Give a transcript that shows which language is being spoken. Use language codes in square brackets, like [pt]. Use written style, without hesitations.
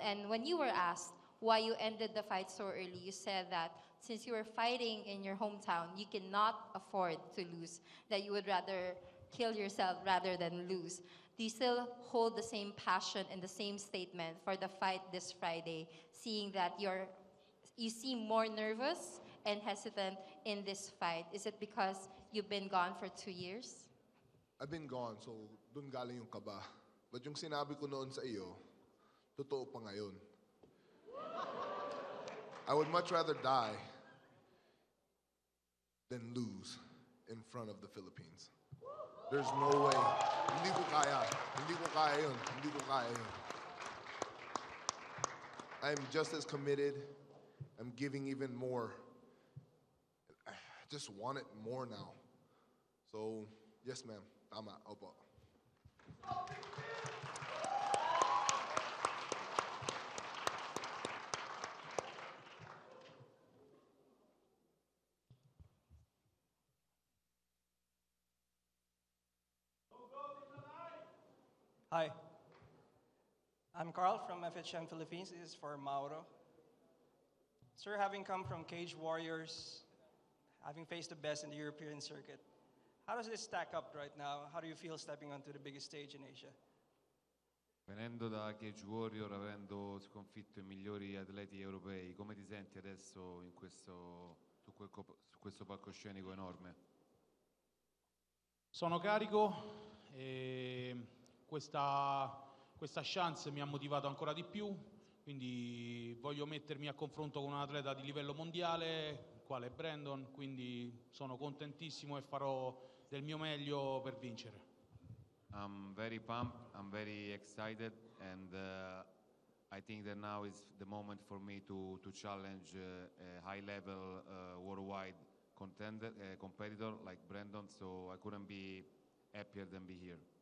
[en] And when you were asked why you ended the fight so early, you said that since you were fighting in your hometown, you cannot afford to lose, that you would rather kill yourself rather than lose. Do you still hold the same passion and the same statement for the fight this Friday, seeing that you seem more nervous and hesitant in this fight? Is it because you've been gone for 2 years? I've been gone, so [tl] dun galing yung kaba. But yung sinabi ko noon sa iyo, totoo pa ngayon. [en] I would much rather die than lose in front of the Philippines. There's no way. [tl] Hindi ko kaya. Hindi ko kaya yun. Hindi ko kaya yun. [en] I'm just as committed. I'm giving even more. I just want it more now. So, yes, ma'am. [tl] Tama. Opo. [en] Hi, I'm Carl from FHM Philippines. This is for Mauro. Sir, having come from Cage Warriors, having faced the best in the European circuit, how does this stack up right now? How do you feel stepping onto the biggest stage in Asia? [it] Venendo da Cage Warrior, avendo sconfitto i migliori atleti europei, come ti senti adesso in questo su questo palcoscenico enorme? Sono carico e Questa chance mi ha motivato ancora di più, quindi voglio mettermi a confronto con un atleta di livello mondiale, quale Brandon, quindi sono contentissimo e farò del mio meglio per vincere. [en] I'm very pumped, I'm very excited and I think that now is the moment for me to challenge a high level worldwide competitor like Brandon, so I couldn't be happier than be here.